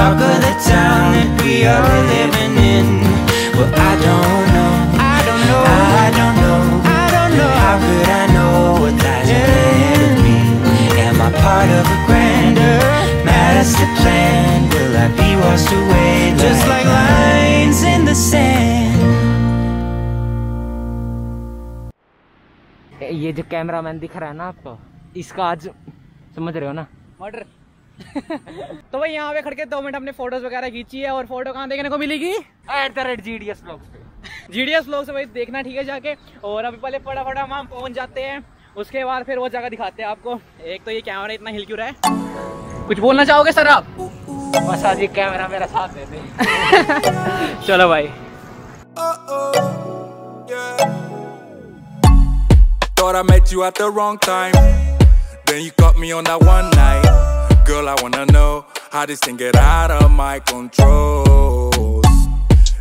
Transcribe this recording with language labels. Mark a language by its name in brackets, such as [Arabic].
[English] हैं But I don't know how could I know what lies ahead of me? Am I part of a grander master plan? Will I be washed away just like lines in the sand? [Hindi] ये जो cameraman दिख रहा है ना आपको इसका आज समझ रहे हो ना मर्डर तो भाई यहाँ पे खड़के 2 मिनट हमने फोटोज वगैरह खींची है और फोटो कहाँ देखने को मिलेगी @GDS vlogs भाई देखना ठीक है जाके और अभी पहले फटाफट हम पहुंच जाते हैं उसके बाद फिर वो जगह दिखाते हैं आपको एक तो ये कैमरा इतना हिल क्यों रहा है कुछ बोलना चाहोगे सर आप बस आज ये कैमरा मेरा साथ दे दे चलो भाई [English] Thought I met you at the wrong time Then you caught me on that one night Girl, I wanna know how this thing get out of my controls.